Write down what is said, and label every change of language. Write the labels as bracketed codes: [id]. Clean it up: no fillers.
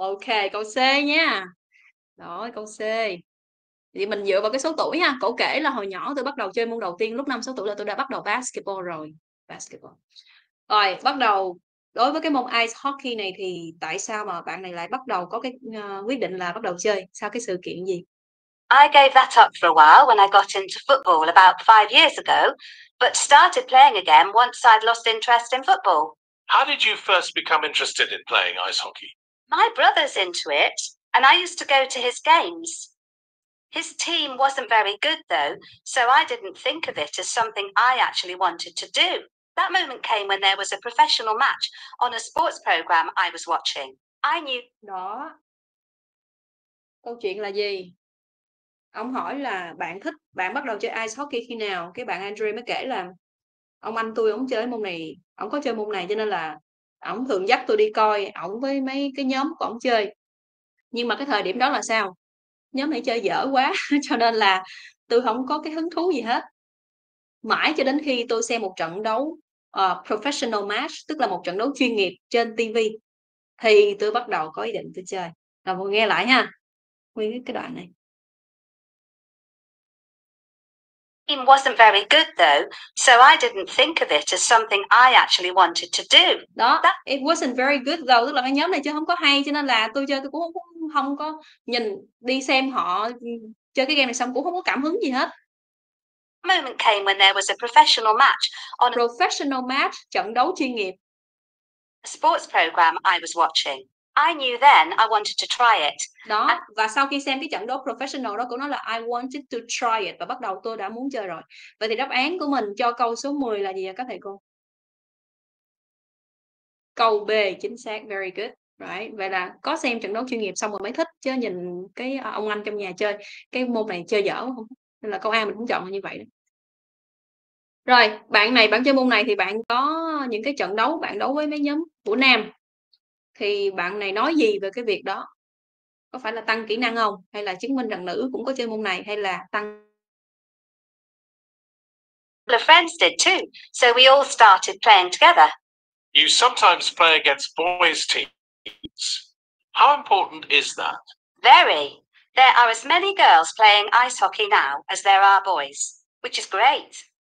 [vi] Ok, câu C nha. Đó, câu C. Thì mình dựa vào cái số tuổi nha. Cổ kể là hồi nhỏ tôi bắt đầu chơi môn đầu tiên lúc 5-6 tuổi là tôi đã bắt đầu basketball rồi. Basketball. Rồi, bắt đầu. Đối với cái môn ice hockey này thì tại sao mà bạn này lại bắt đầu có cái quyết định là bắt đầu chơi? Sau cái sự kiện gì? [en] I gave that up for a while when I got into football about 5 years ago, but started playing again once I'd lost interest in football. How did you first become interested in playing ice hockey? My brother's into it, and I used to go to his games. His team wasn't very good, though, so I didn't think of it as something I actually wanted to do. That moment came when there was a professional match on a sports program I was watching. I knew... [vi] Đó. Câu chuyện là gì? Ông hỏi là bạn thích, bạn bắt đầu chơi ice hockey khi nào? Cái bạn Andrew mới kể là ông anh tôi, ông chơi môn này, ông có chơi môn này cho nên là ông thường dắt tôi đi coi, ông với mấy cái nhóm của ông chơi. Nhưng mà cái thời điểm đó là sao? Nhóm này chơi dở quá, cho nên là tôi không có cái hứng thú gì hết. Mãi cho đến khi tôi xem một trận đấu professional match, tức là một trận đấu chuyên nghiệp trên TV, thì tôi bắt đầu có ý định tôi chơi. Rồi mọi người nghe lại ha, nguyên cái đoạn này. [en] Team wasn't very good though, so I didn't think of it as something I actually wanted to do. [vi] Đó, [en] it wasn't very good though, [vi] tức là cái nhóm này chơi không có hay, cho nên là tôi chơi tôi cũng không có nhìn đi xem họ chơi cái game này xong cũng không có cảm hứng gì hết. [en] Moment came when there was a professional match on [vi] professional match, trận đấu chuyên nghiệp. [en] A sports program I was watching. I knew then I wanted to try it. [vi] Đó, và sau khi xem cái trận đấu professional đó cũng nói là [en] I wanted to try it [vi] và bắt đầu tôi đã muốn chơi rồi. Vậy thì đáp án của mình cho câu số 10 là gì ạ các thầy cô? Câu B chính xác, [en] very good, right? [vi] Vậy là có xem trận đấu chuyên nghiệp xong rồi mới thích chứ nhìn cái ông anh trong nhà chơi cái môn này chơi dở không? Nên là câu A mình cũng chọn là như vậy đó. Rồi, bạn này bạn chơi môn này thì bạn có những cái trận đấu bạn đấu với mấy nhóm của nam. Thì bạn này nói gì về cái việc đó? Có phải là tăng kỹ năng không? Hay là chứng minh rằng nữ cũng có chơi môn này? Hay là tăng... [en] The friends did too. So we all started playing together. You sometimes play against boys' teams. How important is that? Very. There are as many girls playing ice hockey now as there are boys, which is great.